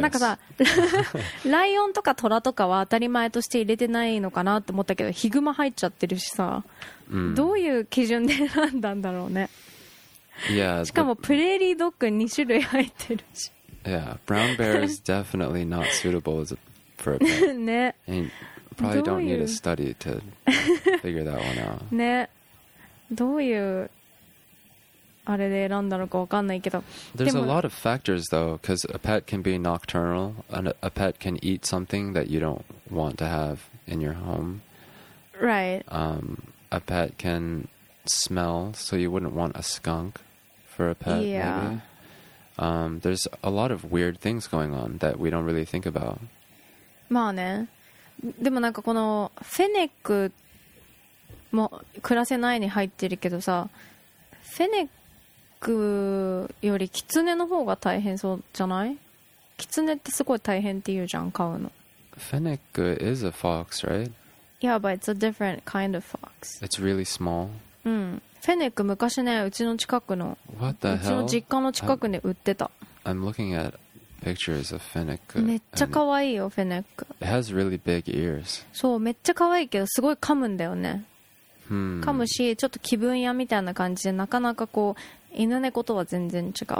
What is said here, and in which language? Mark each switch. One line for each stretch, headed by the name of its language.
Japanese: なんかさ、ライオンとかトラとかは当たり前として入れてないのかなって思ったけど、ヒグマ入っちゃってるしさ、どういう基準で選んだんだろうね。
English: Yeah,
Japanese: しかもプレーリードッグ2種類入ってるし
English: Yeah, brown bear is definitely not suitable as a, for a pet.
Japanese: ね。
English: And probably don't need a study to figure that one out.
Japanese: ね。どういうあれで選んだのかわかんないけど。
English: There's a lot of factors though, because a pet can be nocturnal, and a pet can eat something that you don't want to have in your home. Right. A pet can smell, so you wouldn't want a skunk for a pet. Yeah. Maybe. There's a lot of weird things going on that we don't really think about.
Japanese: まあね。でもなんかこのフェネックも暮らせないに入ってるけどさ、フェネックよりキツネの方が大変そうじゃない？キツネってすごい大変って言うじゃん、飼うの。
English: フェネック is a fox, right? Yeah, but it's a different kind of fox. It's really small.
Japanese: うん。フェネック昔ね、うちの近くの、
English: What the hell?
Japanese: うちの実家の近くで売ってた。
English: I'm looking at pictures of フェネック。
Japanese: めっちゃ可愛いよ、フェネック。
English: It has really big ears.
Japanese: そう、めっちゃ可愛いけど、すごい噛むんだよね。 Hmm. 噛むし、ちょっと気分屋みたいな感じで、なかなかこう、犬猫とは全然違う。